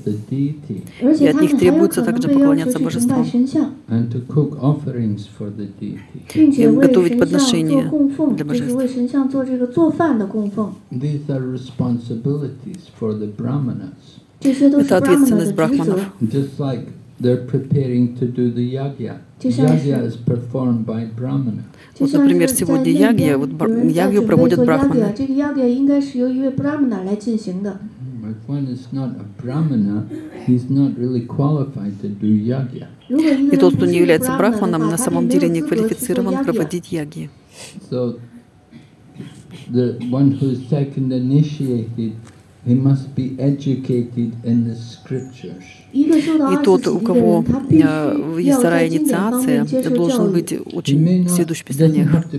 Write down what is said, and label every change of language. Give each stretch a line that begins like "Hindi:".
Russian: И от них требуется также поклоняться божествам.
English: And to cook offerings for the deity.
Russian: И готовить подношения для божеств.
English: These are responsibilities for the brahmanas.
Russian: Это ответственность брахманов.
English: Just like they're preparing to do the yagya. Yagya is performed by brahmanas.
Russian: Вот, например, сегодня ягья, вот ягью проводят брахманы.
English: If one is not a brahmana, he's not really qualified to do yagya.
Russian: И тот, кто не является брахманом, на самом деле не квалифицирован проводить ягьи.
English: So the one who is second initiated, he must be educated in the scriptures.
Russian: И тот, у кого есть вторая инициация, должен быть очень следующим писаниях.